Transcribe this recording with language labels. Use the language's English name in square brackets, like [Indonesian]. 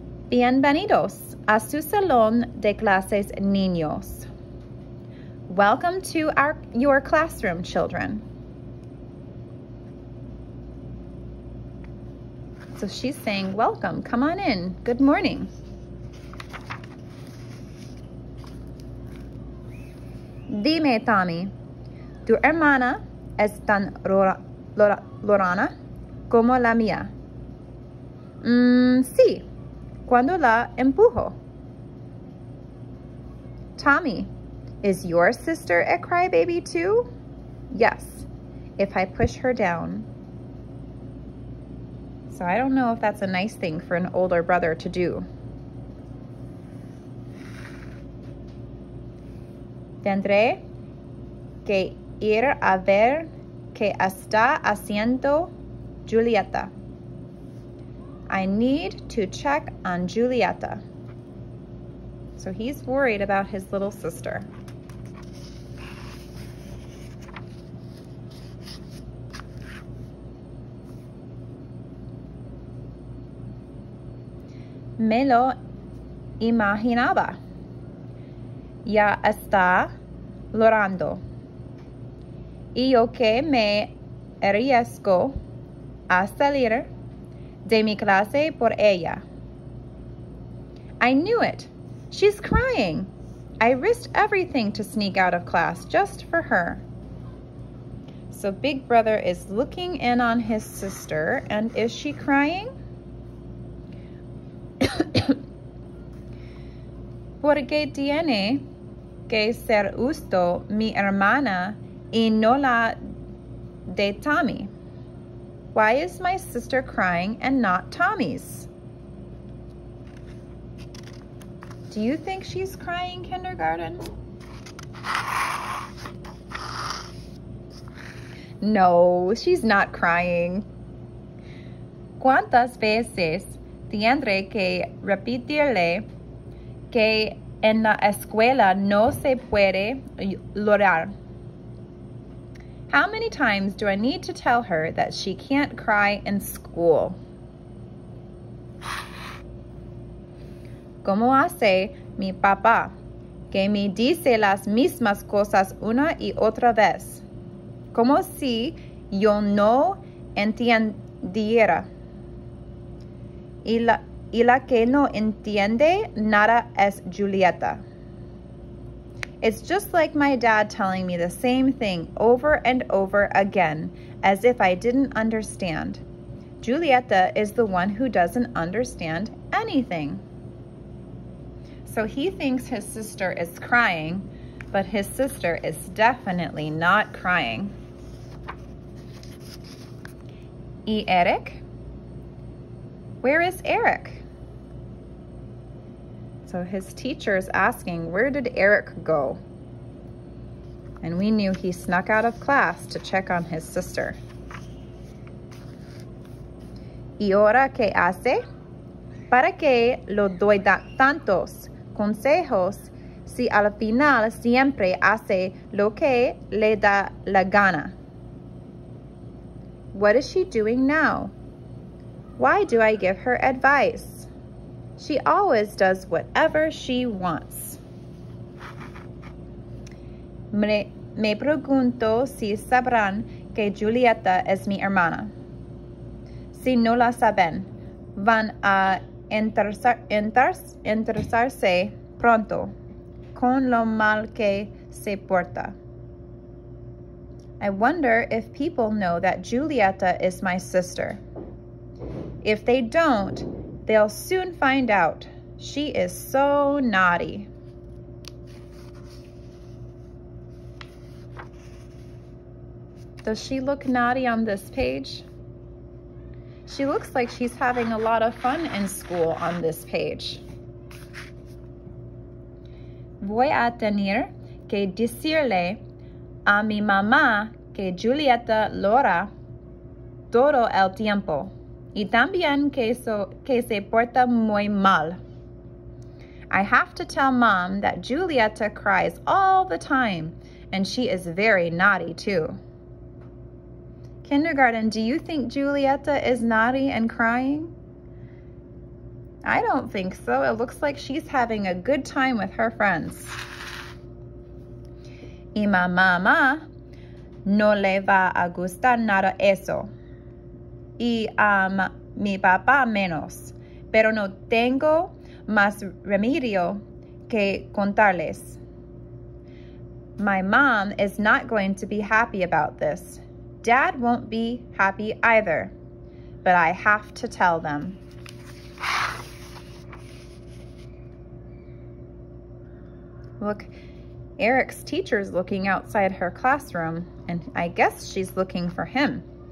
[Spanish] Bienvenidos a su salón de clases, niños. [English] Welcome to your classroom, children. So she's saying, welcome, come on in, good morning. [Spanish] Dime, Tommy, ¿tu hermana es tan llorona como la mía? Sí, cuando la empujo. [English] Tommy, is your sister a crybaby too? Yes, if I push her down. So I don't know if that's a nice thing for an older brother to do. [Spanish] Tendré que ir a ver qué está haciendo Julieta. [English] I need to check on Julieta. So he's worried about his little sister. [Spanish] Me lo imaginaba. Ya está llorando. Y yo que me arriesgo a salir de mi clase por ella. [English] I knew it. She's crying. I risked everything to sneak out of class just for her. So Big Brother is looking in on his sister, and is she crying? [Spanish] Porque tiene que ser justo mi hermana y no la de Tommy. [English] Why is my sister crying and not Tommy's? Do you think she's crying, kindergarten? No, she's not crying. [Spanish] ¿Cuántas veces tendré que repetirle que en la escuela no se puede llorar? [English] How many times do I need to tell her that she can't cry in school? [Spanish] ¿Cómo hace mi papá que me dice las mismas cosas una y otra vez? Como si yo no entendiera. Y la que no entiende nada es Julieta. [English] It's just like my dad telling me the same thing over and over again, as if I didn't understand. Julieta is the one who doesn't understand anything. So he thinks his sister is crying, but his sister is definitely not crying. [Spanish] ¿Y Eric? [English] Where is Eric? So his teacher is asking, where did Eric go? And we knew he snuck out of class to check on his sister. [Spanish] ¿Y ahora qué hace? ¿Para qué lo doy tantos consejos si al final siempre hace lo que le da la gana? [English] What is she doing now? Why do I give her advice? She always does whatever she wants. [Spanish] Me pregunto si sabrán que Julieta es mi hermana. Si no la saben, van a interesarse pronto con lo mal que se porta. [English] I wonder if people know that Julieta is my sister. If they don't, they'll soon find out. She is so naughty. Does she look naughty on this page? She looks like she's having a lot of fun in school on this page. [Spanish] Voy a tener que decirle a mi mamá que Julieta llora todo el tiempo y también que se porta muy mal. [English] I have to tell mom that Julieta cries all the time and she is very naughty too. Kindergarten, do you think Julieta is naughty and crying? I don't think so. It looks like she's having a good time with her friends. [Spanish] Y mamá no le va a gustar nada eso. Y a mi papá menos. Pero no tengo más remedio que contarles. [English] My mom is not going to be happy about this. Dad won't be happy either, but I have to tell them. Look, Eric's teacher's looking outside her classroom, and I guess she's looking for him.